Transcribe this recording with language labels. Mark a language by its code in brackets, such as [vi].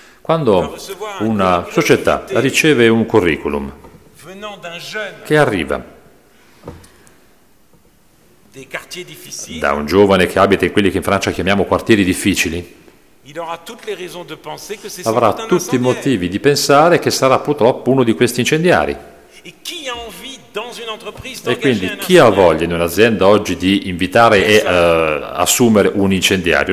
[it] quando una società riceve un curriculum [fr] venant d'un jeune, [it] che arriva [fr] des quartiers difficiles, [it] da un giovane che abita in quelli che in Francia chiamiamo quartieri difficili, [fr] il aura toutes les raisons de penser que c'est [it] avrà tutti [fr] un [it] i motivi di pensare che sarà purtroppo uno di questi incendiari. [fr] Et qui a envie dans une entreprise [it] e quindi chi ha voglia in un'azienda oggi di invitare assumere un incendiario?